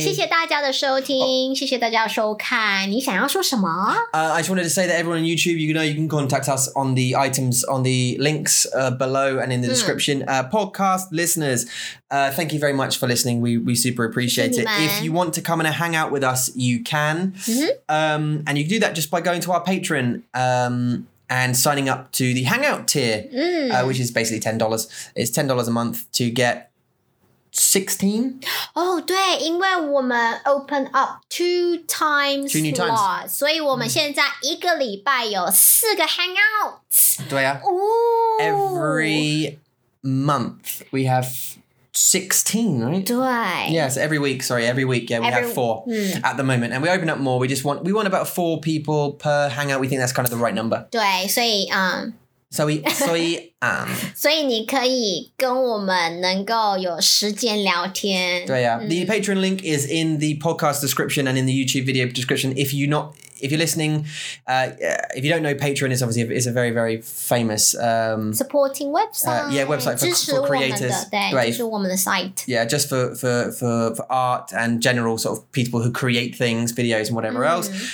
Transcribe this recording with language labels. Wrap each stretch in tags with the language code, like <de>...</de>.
<zh>谢谢大家的收听、谢谢大家的收看你想要说什么、</zh> <en>I just wanted to say that everyone on YouTube you know you can contact us on the items on the links、below and in the description、podcast listenersThank you very much for listening. We super appreciate it. If you want to come and hang out with us, you can.、 Mm-hmm. And you can do that just by going to our Patreon、and signing up to the Hangout tier,、which is basically $10. It's $10 a month to get 16?</en> <zh>Oh, 对, 因为我们</zh> <en>open up two times slot,</en> <zh>所以我们现在一个礼拜有四个 hangouts. 对啊。</zh> <en>Ooh. Every month we have 16, right?</en> <zh>对。</zh> <en>Yes, every week, sorry, every week, yeah, we have four at the moment. And we open up more, we want about four people per hangout, we think that's kind of the right number.</en> <zh>对, 所以所以你可以跟我们能够有时间聊天。</zh> <en>对呀、啊、The Patreon link is in the podcast description and in the YouTube video description. If you don't know, Patreon is obviously it's a very, very famous... supporting website. Yeah, website for creators.</en> <zh>支持我们的 site.</zh> <en>Yeah, just for art and general sort of people who create things, videos and whatever else.</en>